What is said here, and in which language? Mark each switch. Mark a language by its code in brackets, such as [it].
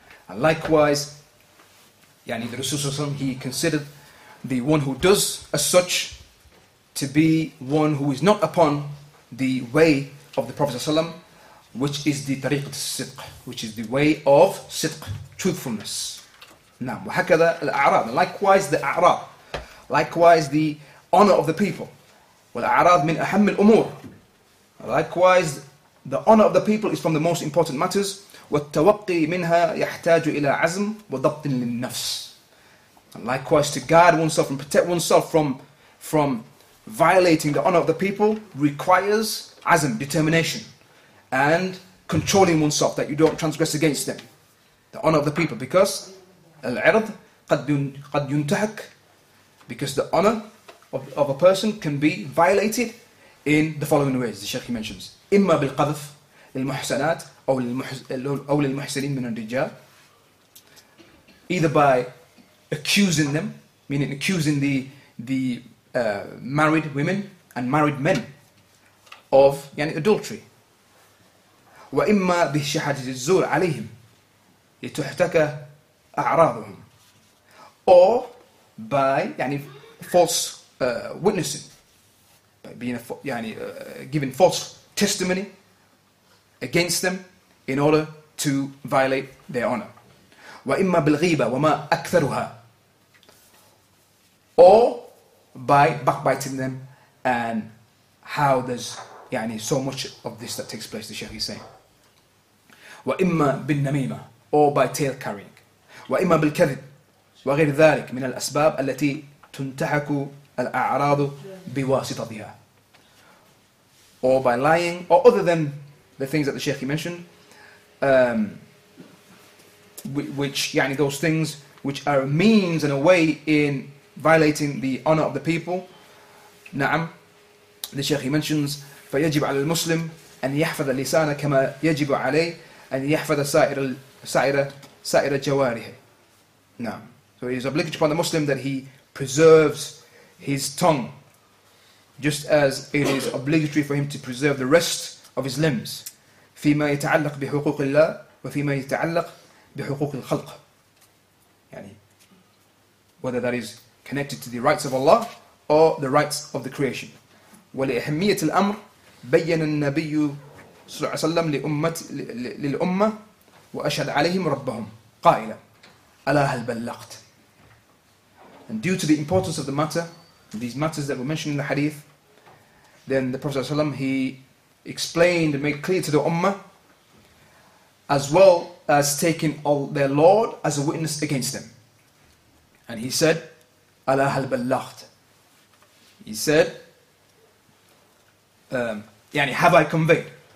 [en] And likewise, يعني the Rasul صلى الله عليه وسلم, he considered the one who does as such to be one who is not upon the way of the Prophet صلى الله عليه وسلم, which is the [ar] طريقة الصدق, [en] which is the way of صدق, truthfulness. [ar] نعم وهكذا الأعراض. [en] Likewise the أعراض. Likewise the honor of the people. [ar] والأعراض من أهم الأمور. [en] Likewise the honor of the people is from the most important matters. [ar] والتوقي منها يحتاج إلى عزم وضبط للنفس. [en] And likewise to guard oneself and protect oneself from violating the honor of the people requires azm, determination. And controlling oneself that you don't transgress against them. The honor of the people, because [ar] العرض قد ينتهك, [en] because the honor of a person can be violated in the following ways, the Shaykh he mentions. [ar] إما بالقذف للمحسنات أو للمحسنين من الرجال. [en] Either by accusing them, meaning accusing the married women and married men of يعني adultery. [ar] وإما بشهادة الزور عليهم لتحتك أعراضهم. [en] Or by يعني false witnessing, by being giving false testimony against them in order to violate their honor. [ar] وإما بالغيبة وما أكثرها. [en] Or by backbiting them, and how there's يعني so much of this that takes place, the Shaykh is saying. [ar] وإما بالنميمة, [en] or by tail carrying. [ar] وإما بالكذب وغير ذلك من الأسباب التي تنتهك الأعراض بواسطتها. [en] Or by lying, or other than the things that the Shaykh mentioned, which يعني those things which are a means and a way in violating the honor of the people. [ar] نعم, [en] the Shaykh mentions, [ar] فيجب على المسلم أن يحفظ لسانه كما يجب عليه أن يحفظ سائر جواره. [en] نعم, so it is obligatory upon the Muslim that he preserves his tongue, just as it is obligatory for him to preserve the rest of his limbs. [ar] فيما يتعلق بحقوق الله وفيما يتعلق بحقوق الخلق. [en] يعني whether that is connected to the rights of Allah or the rights of the creation. [ar] ولأهمية الأمر بين النبي صلى الله عليه وسلم للأمة وأشهد عليهم ربهم قائلا ألا هل بلغت. [en] And due to the importance of the matter, these matters that were mentioned in the hadith, then the Prophet ﷺ, he explained and made clear to the Ummah, as well as taking all their Lord as a witness against them. And he said, [ar] Ala hal ballaght. [en] He said, Yani, have I conveyed?